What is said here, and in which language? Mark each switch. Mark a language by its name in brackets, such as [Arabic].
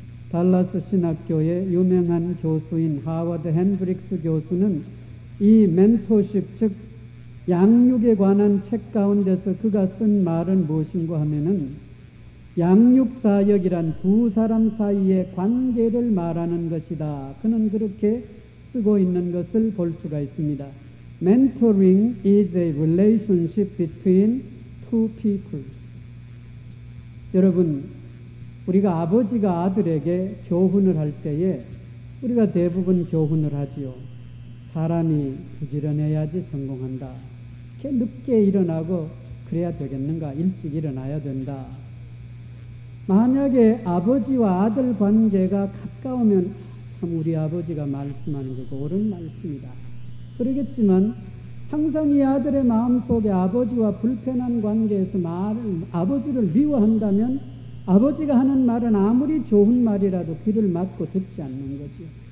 [Korean] 달라스 신학교의 유명한 교수인 하워드 핸드릭스 교수는 이 멘토십, 즉 양육에 관한 책 가운데서 그가 쓴 말은 무엇인가 하면은 양육사역이란 두 사람 사이의 관계를 말하는 것이다. 그는 그렇게 쓰고 있는 것을 볼 수가 있습니다. [English] Mentoring is a relationship between two people. [Korean] 여러분, 우리가 아버지가 아들에게 교훈을 할 때에 우리가 대부분 교훈을 하지요. 사람이 부지런해야지 성공한다. 늦게 일어나고 그래야 되겠는가? 일찍 일어나야 된다. 만약에 아버지와 아들 관계가 가까우면 참 우리 아버지가 말씀하는 게 옳은 말씀이다, 그러겠지만 항상 이 아들의 마음속에 아버지와 불편한 관계에서 아버지를 미워한다면 아버지가 하는 말은 아무리 좋은 말이라도 귀를 막고 듣지 않는 거죠.